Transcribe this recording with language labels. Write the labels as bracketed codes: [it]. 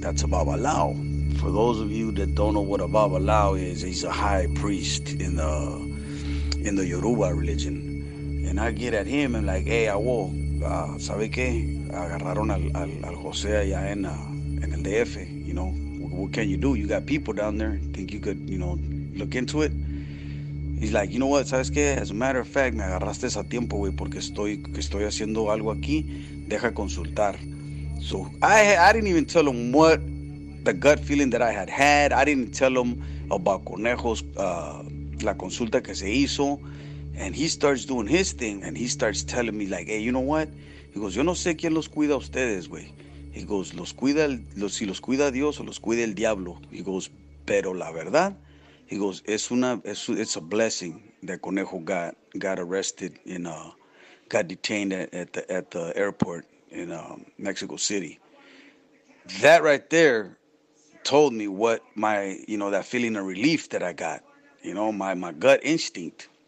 [en] That's a Babalao. For those of you that don't know what a Babalao is, he's a high priest in the Yoruba religion. And I get at him and like, hey, [es] ¿sabe qué? Agarraron al José allá en el DF. [en] You know, what can you do? You got people down there. Think you could, you know, look into it? He's like, you know what? [es] ¿Sabes qué? [en] As a matter of fact, [es] me agarraste a tiempo, güey, porque estoy haciendo algo aquí. Deja consultar. [en] So I didn't even tell him what the gut feeling that I had. I didn't tell him about Conejos, [es] la consulta que se hizo. [en] And he starts doing his thing, and he starts telling me, like, hey, you know what? He goes, [es] yo no sé quién los cuida a ustedes, güey. [en] He goes, [es] si los cuida Dios o los cuida el diablo. [en] He goes, [es] pero la verdad, [en] he goes, it's a blessing that Conejo got arrested and got detained at the airport in Mexico City. That right there told me what my, you know, that feeling of relief that I got, you know, my gut instinct.